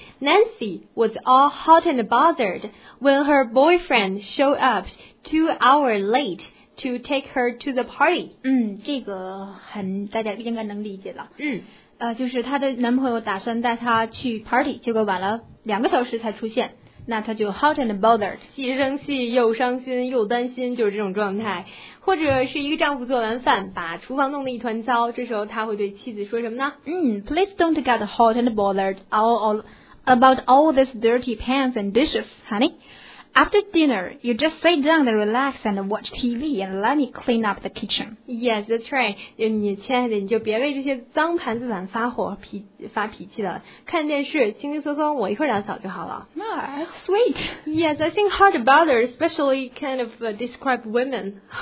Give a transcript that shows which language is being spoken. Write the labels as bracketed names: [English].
[English] Nancy was all hot and bothered when her boyfriend showed up 2 hours late to take her to the party. [Chinese] 这个很大家应该能理解了。就是她的男朋友打算带她去 party， 结果晚了2个小时才出现，那她就 [English] hot and bothered， [Chinese] 既生气又伤心又担心，就是这种状态。或者是一个丈夫做完饭把厨房弄得一团糟，这时候他会对妻子说什么呢？ [English] Please don't get hot and bothered about all these dirty pans and dishes, honey. After dinner, you just sit down and relax and watch TV and let me clean up the kitchen. Yes, that's right. [Chinese] 你亲爱的，你就别为这些脏盘子碗发脾气了，看电视轻轻松松，我一会儿打扫就好了。 [English] Sweet. Yes, I think hot and bothered especially kind of describe women.